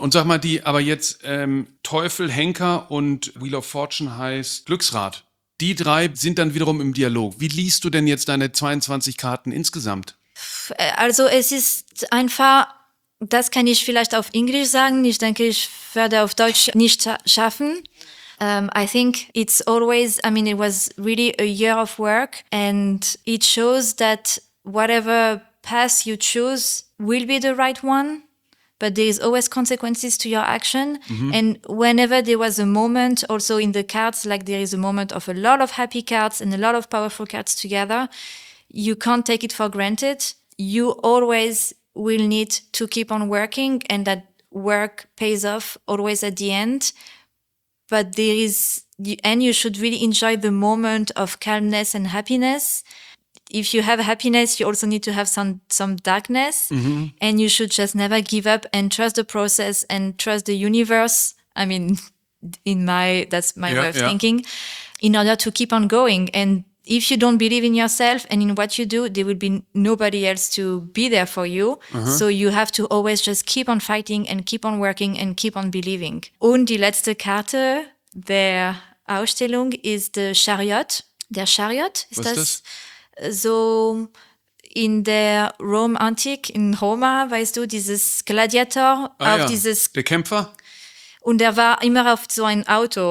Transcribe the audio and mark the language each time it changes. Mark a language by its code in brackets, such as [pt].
[de] Und sag mal, aber jetzt Teufel, Henker und Wheel of Fortune heißt Glücksrad. Die drei sind dann wiederum im Dialog. Wie liest du denn jetzt deine 22 Karten insgesamt? Also es ist einfach, das kann ich vielleicht auf Englisch sagen. Ich denke, ich werde auf Deutsch nicht schaffen. [en] I think it's always, I mean, it was really a year of work. And it shows that whatever path you choose will be the right one. but there is always consequences to your action. Mm-hmm. And whenever there was a moment also in the cards, like there is a moment of a lot of happy cards and a lot of powerful cards together, you can't take it for granted. You always will need to keep on working, and that work pays off always at the end. But there is, and you should really enjoy the moment of calmness and happiness. If you have happiness, you also need to have some darkness. Mm-hmm. And you should just never give up and trust the process and trust the universe. I mean, that's my way of thinking, in order to keep on going. And if you don't believe in yourself and in what you do, there will be nobody else to be there for you. Uh-huh. So you have to always just keep on fighting and keep on working and keep on believing. [de] Und die letzte Karte der Ausstellung ist der Chariot. Der Chariot ist das? So in der Rome Antik, in Roma, weißt du, dieses Gladiator. Der Kämpfer? Und er war immer auf so ein Auto.